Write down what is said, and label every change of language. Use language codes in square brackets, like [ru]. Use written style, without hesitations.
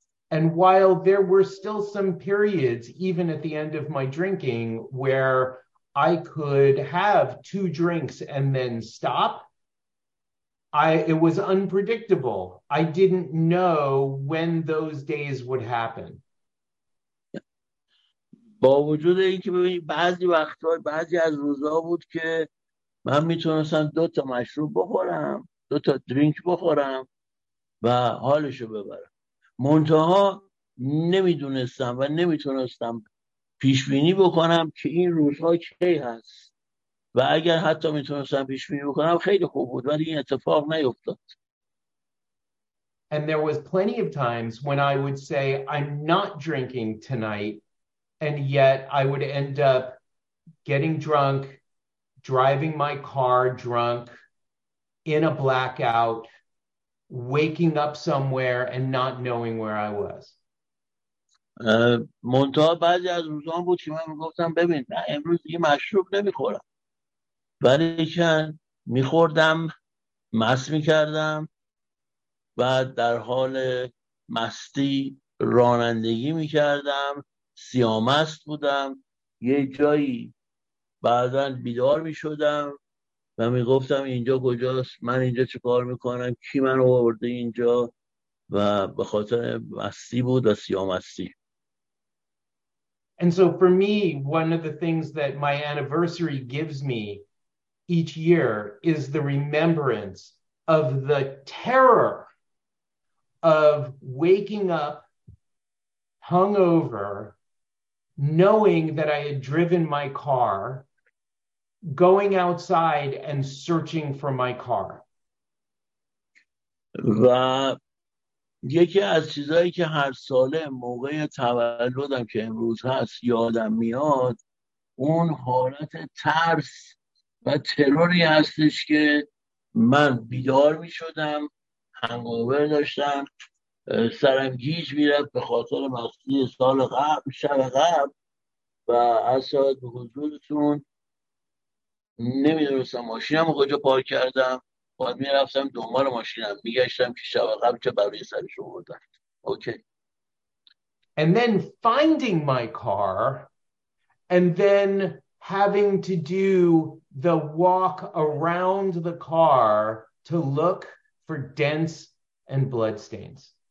[en] And while there were still some periods, even at the end of my drinking, where I could have two drinks and then stop, it was unpredictable. I didn't know when those days would happen. [fa] با وجود اینکه ببینید بعضی وقت‌ها بعضی از روزها بود که من میتونستم دو تا مشروب بخورم، دو تا درینک بخورم و حالشو ببرم، منتها نمیدونستم و نمیتونستم پیش بینی بکنم که این روزها کی هست و اگر حتی میتونستم پیش بینی بکنم خیلی خوب بود، ولی این اتفاق نیفتاد. [en] And there was plenty of times when I would say I'm not drinking tonight, and yet I would end up getting drunk, driving my car drunk, in a blackout, waking up somewhere and not knowing where I was. [fa] منتها بعضی از روزا بود که من میگفتم ببین امروز دیگه مشروب نمیخورم، ولی چند میخوردم مست میکردم و در حال مستی رانندگی میکردم، سیامست بودم، یه جایی بعدا بیدار میشدم و میگفتم اینجا کجاست، من اینجا چه کار میکنم، کی من رو آورده اینجا، و به خاطر مستی بود و سیامستی. [en] And so for me, one of the things that my anniversary gives me each year is the remembrance of the terror of waking up hungover, knowing that I had driven my car, going outside and searching for my car. [fa] و یکی از چیزایی که هر ساله موقع تولدم که امروز هست یادم میاد اون حالت ترس و تروری هستش که من بیدار میشدم، هنگوور داشتم، سرم گیج میرفت به خاطر مستی سال قبل، شب قبل، و از ساعت به حضورتون نمیدونستم ماشینم کجا پارک کردم، باید میرفتم دنبال ماشینم، میگشتم که شب قبل چه برای سرش آوردن. اوکی. [en] And then finding my car and then having to do the walk around the car to look for dents and blood stains.